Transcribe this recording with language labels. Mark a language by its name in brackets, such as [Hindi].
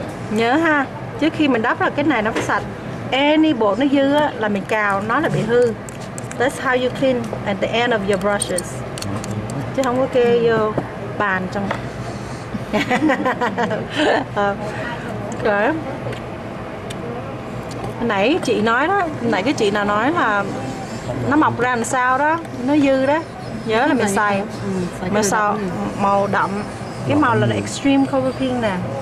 [Vietnamese] Nhớ ha, trước khi mình đắp là cái này nó phải sạch. Any bột nó dư á, là mình cào nó là bị hư. [English] That's how you clean at the end of your brushes. [Vietnamese] Chứ không có kê vô bàn trong. Okay. Nãy chị nói đó, nãy cái chị nào nói là nó mọc ra làm sao đó, nó dư đó. Nhớ là mình xài màu sao, màu đậm. Cái màu là extreme color pink nè.